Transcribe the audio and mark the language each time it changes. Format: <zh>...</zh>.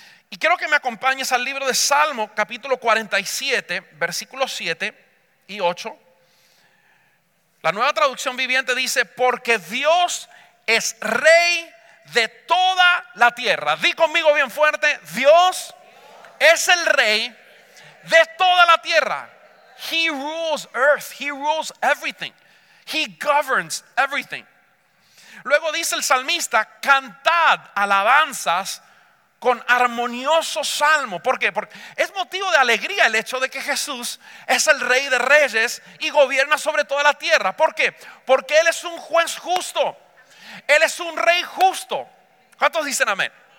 <es>Y quiero que me acompañes al libro de Salmo, capítulo 47, versículos 7 y 8. La Nueva Traducción Viviente dice: porque Dios es rey de toda la tierra. Di conmigo bien fuerte: Dios es el rey de toda la tierra.</es> <en>He rules earth, he rules everything, he governs everything.</en> <es>Luego dice el salmista: cantad alabanzas con armonioso salmo. ¿Por qué? Porque es motivo de alegría el hecho de que Jesús es el rey de reyes y gobierna sobre toda la tierra. ¿Por qué? Porque él es un juez justo, él es un rey justo. ¿Cuántos dicen amén?</es>